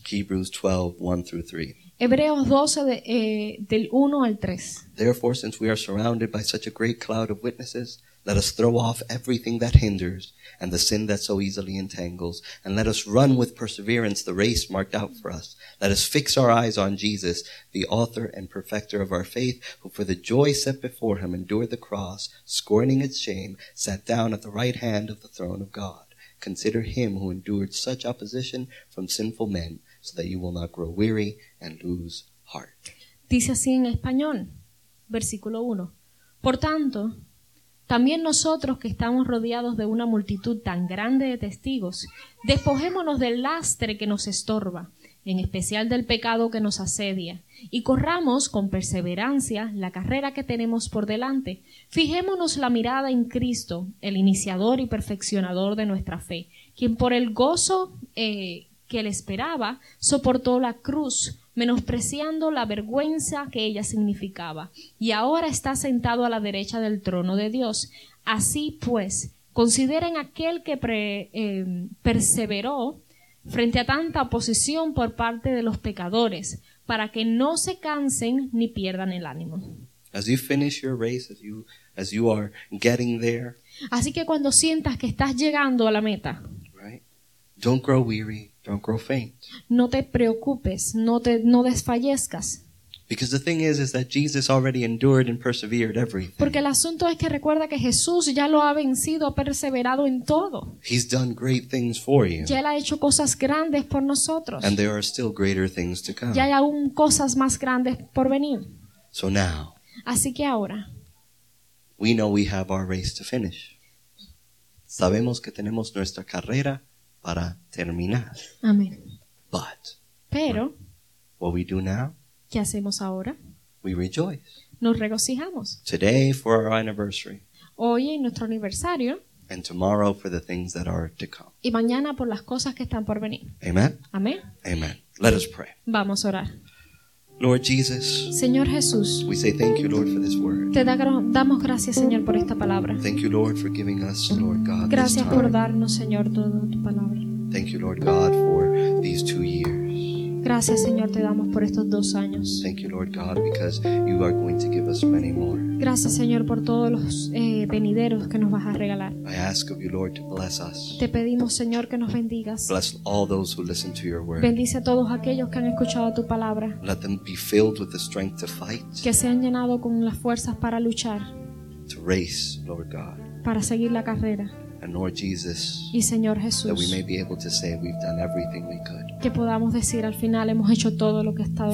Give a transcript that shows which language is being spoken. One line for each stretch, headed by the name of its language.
English: Hebrews 12, 1 through 3.
Spanish: Hebreos 12 del 1 al 3.
English: Therefore, since we are surrounded by such a great cloud of witnesses, let us throw off everything that hinders and the sin that so easily entangles, and let us run with perseverance the race marked out for us. Let us fix our eyes on Jesus, the author and perfecter of our faith, who for the joy set before him endured the cross, scorning its shame, sat down at the right hand of the throne of God. Consider him who endured such opposition from sinful men, so that you will not grow weary and lose heart.
Spanish: Dice así en español, versículo 1. Por tanto, también nosotros que estamos rodeados de una multitud tan grande de testigos, despojémonos del lastre que nos estorba, en especial del pecado que nos asedia, y corramos con perseverancia la carrera que tenemos por delante. Fijémonos la mirada en Cristo, el iniciador y perfeccionador de nuestra fe, quien por el gozo que le esperaba, soportó la cruz, menospreciando la vergüenza que ella significaba, y ahora está sentado a la derecha del trono de Dios. Así pues, consideren aquel que perseveró frente a tanta oposición por parte de los pecadores, para que no se cansen ni pierdan el ánimo.
English: As you finish your race, as you are getting there,
Spanish: así que cuando sientas que estás llegando a la meta,
English: right? Don't grow weary. Don't grow faint.
Spanish: No te preocupes, no desfallezcas.
English: Because the thing is that Jesus already endured and persevered everything.
Spanish: Porque el asunto es que recuerda que Jesús ya lo ha vencido, ha perseverado en todo.
English: He's done great things for you.
Spanish: Ya él ha hecho cosas grandes por nosotros.
English: And there are still greater things to come.
Spanish: Ya hay aún cosas más grandes por venir.
English: So now.
Spanish: Así que ahora.
English: We know we have our race to finish.
Spanish: Sabemos que tenemos nuestra carrera para terminar. Amén.
English: But,
Spanish: pero,
English: what we do now,
Spanish: ¿qué hacemos ahora?
English: We rejoice.
Spanish: Nos regocijamos.
English: Today for our anniversary.
Spanish: Hoy en nuestro aniversario.
English: And tomorrow for the things that are to come.
Spanish: Y mañana por las cosas que están por venir.
English: Amen.
Spanish: Amén.
English: Amen. Let us pray.
Spanish: Vamos a orar.
English: Lord Jesus,
Spanish: Señor Jesús,
English: we say thank you, Lord, for this word.
Spanish: Te damos gracias, Señor, por esta palabra.
English: Thank you, Lord, for giving us, Lord God,
Spanish: gracias
English: this time.
Spanish: Gracias por darnos, Señor, toda tu palabra.
English: Thank you, Lord God, for these 2 years.
Spanish: Gracias, Señor, te damos por estos 2 años.
English: Thank you, Lord God, because you are going to give us many more.
Spanish: Gracias, Señor, por todos los venideros que nos vas a regalar.
English: I ask of you, Lord, to bless us.
Spanish: Te pedimos, Señor, que nos bendigas.
English: Bless all those who listen to your word.
Spanish: Bendice a todos aquellos que han escuchado tu palabra.
English: Let them be filled with the strength to fight.
Spanish: Que sean llenados con las fuerzas para luchar.
English: To race, Lord God.
Spanish: Para seguir la carrera.
English: And Lord Jesus,
Spanish: y Señor Jesús,
English: that we may be able to say we've done everything we could.
Spanish: Que podamos decir al final hemos hecho todo lo que ha estado